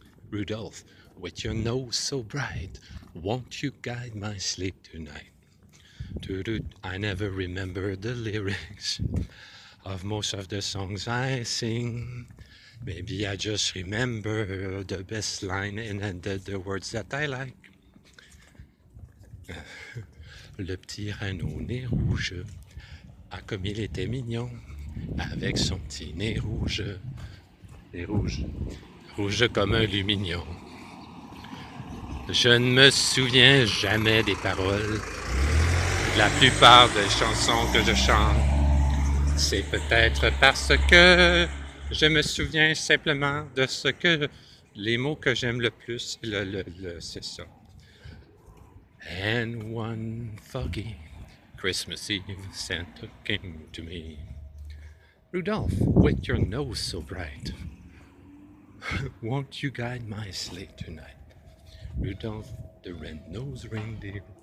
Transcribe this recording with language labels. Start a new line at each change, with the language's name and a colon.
English: Rudolph, with your nose so bright, won't you guide my sleep tonight? I never remember the lyrics of most of the songs I sing. Maybe I just remember the best line and the words that I like.
French: Le petit renne au nez rouge, ah comme il était mignon, avec son petit nez rouge. Nez rouge. Rouge comme un lumignon. Je ne me souviens jamais des paroles. La plupart des chansons que je chante, c'est peut-être parce que je me souviens simplement de ce que les mots que j'aime le plus, c'est ça.
English: And one foggy Christmas Eve, Santa came to me. Rudolph, with your nose so bright, won't you guide my sleigh tonight? Rudolph, the red-nosed reindeer.